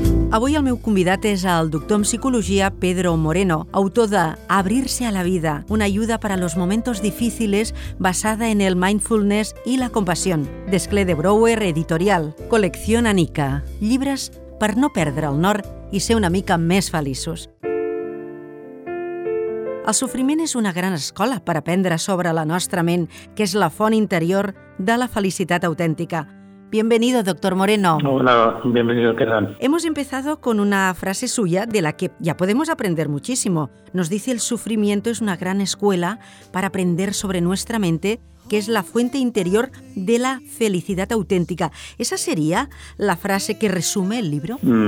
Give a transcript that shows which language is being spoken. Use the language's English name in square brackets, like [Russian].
[Catalan] Avui el meu convidat és el doctor en psicologia Pedro Moreno, autor de Abrirse a la vida, una ayuda para los momentos difíciles basada en el mindfulness y la compasión. Desclée de Brouwer, editorial, col·lecció Anika. Llibres per no perdre el nord i ser una mica més feliços. El sofriment és una gran escola per aprendre sobre la nostra ment, que és la font interior de la felicitat autèntica. [Spanish] Bienvenido, doctor Moreno. Hola, bienvenido, ¿qué tal? Hemos empezado con una frase suya de la que ya podemos aprender muchísimo. Nos dice: el sufrimiento es una gran escuela para aprender sobre nuestra mente, que es la fuente interior de la felicidad auténtica. ¿Esa sería la frase que resume el libro?